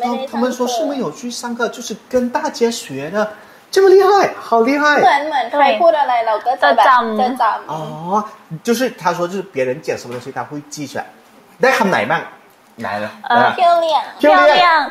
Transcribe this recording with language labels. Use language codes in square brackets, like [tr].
[zh] 没有，他们说是没有去上课，就是跟大家学的。这么厉害，好厉害！ [th] เหมือนใครพูดอะไรเราก็จะจำ。 [zh] 哦，就是他说就是别人讲什么东西他会记起来， [th] ได้คำไหนบ้างไหน [zh] 了。